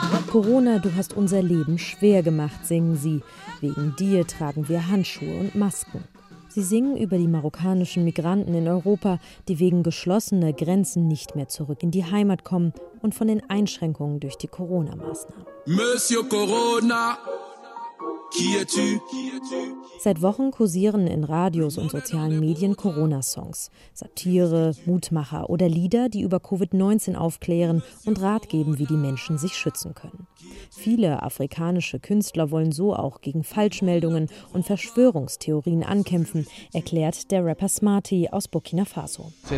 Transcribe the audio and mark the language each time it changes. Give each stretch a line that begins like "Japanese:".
German: Corona, du hast unser Leben schwer gemacht, singen sie. Wegen dir tragen wir Handschuhe und Masken. Sie singen über die marokkanischen Migranten in Europa, die wegen geschlossener Grenzen nicht mehr zurück in die Heimat kommen und von den Einschränkungen durch die Corona-Maßnahmen.
French: Monsieur Corona, qui es-tu?
German: Seit Wochen kursieren in Radios und sozialen Medien Corona-Songs. Satire, Mutmacher oder Lieder, die über Covid-19 aufklären und Rat geben, wie die Menschen sich schützen können. Viele afrikanische Künstler wollen so auch gegen Falschmeldungen und Verschwörungstheorien ankämpfen, erklärt der Rapper Smarty aus Burkina Faso.